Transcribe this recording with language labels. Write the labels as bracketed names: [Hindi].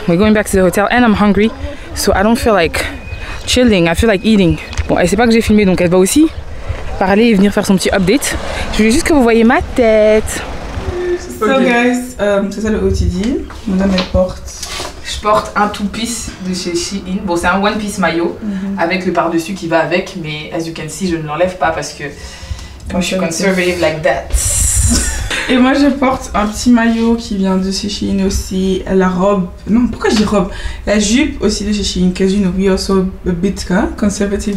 [English] We're going back to the hotel and I'm hungry. So I don't feel like chilling. I feel like eating. [French] Bon, elle sait pas que j'ai filmé, donc elle va aussi parler et venir faire son petit update. Je voulais juste que vous voyez ma tête. [English] So, okay. Guys, [French] c'est ça le OTD. Madame, elle porte. Je porte un two piece de chez Shein. Bon, c'est un one piece maillot avec le par-dessus qui va avec, mais [English] as you can see, [French] je ne l'enlève pas parce que moi, je suis [English] conservative like that. [French] Et moi, je porte un petit maillot qui vient de chez Shein aussi. La robe, non, pourquoi je dis robe? La jupe aussi de chez Shein. [English] Cause you know, we also a bit conservative.